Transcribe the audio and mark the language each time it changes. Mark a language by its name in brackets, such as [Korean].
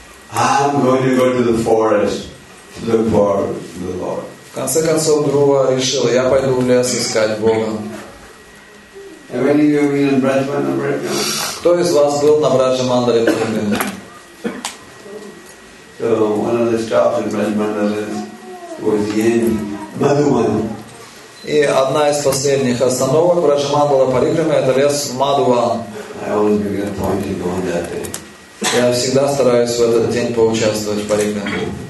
[English] I'm going to go to the forest to look for the Lord. [Russian] В конце концов, Друва решил, я пойду в лес искать Бога. [English] Have any of you been in Брадж-Мандале? [Russian] Кто из вас был на Брадж-Мандале? [English] So one of the stops in Брадж-Мандале was in Madhuvana. [Russian] И одна из последних остановок Брадж-Мандала Парикрама это лес Мадхуван. [English] I always make a point to go on that day. [Russian] Я всегда стараюсь в этот день поучаствовать в Парикраме.